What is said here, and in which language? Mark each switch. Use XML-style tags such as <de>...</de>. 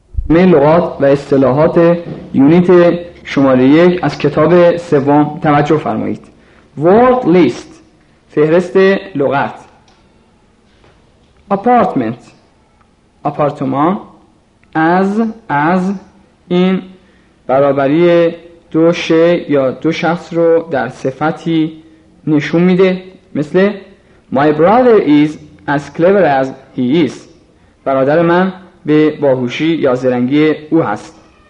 <fa>لغات و اصطلاحات یونیت شماره یک از کتاب سوم توجه فرمایید.</fa> <en>Word list،</en> <fa>فهرست لغت. Apartment، آپارتمان. As این برابری دو شی یا دو شخص رو در صفتی نشون میده، مثل</fa> <en>My brother is as clever as he is،</en> <fa>برادر من به باهوشی یا زرنگی او هست.</fa>